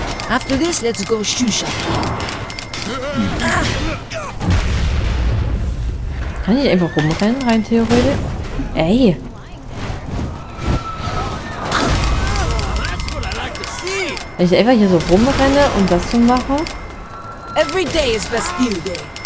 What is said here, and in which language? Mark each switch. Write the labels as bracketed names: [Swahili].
[English] After this, let's go shoe shopping. [German] Kann ich einfach rumrennen, rein theoretisch? Ey! Wenn ich einfach hier so rumrenne und das so mache. [English] Every day is Bastille Day.